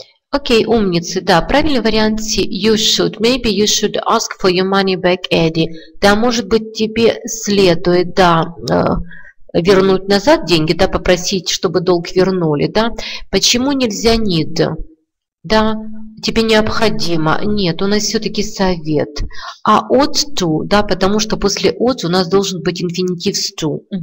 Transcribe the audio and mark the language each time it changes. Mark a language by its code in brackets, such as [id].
[ru] Окей, умницы, да, правильный вариант C. [en] You should, maybe you should ask for your money back, Eddie. [ru] Да, может быть, тебе следует, да, вернуть назад деньги, да, попросить, чтобы долг вернули, да. Почему нельзя need? Да, тебе необходимо. Нет, у нас все-таки совет. А ought to, да, потому что после ought у нас должен быть инфинитив с to.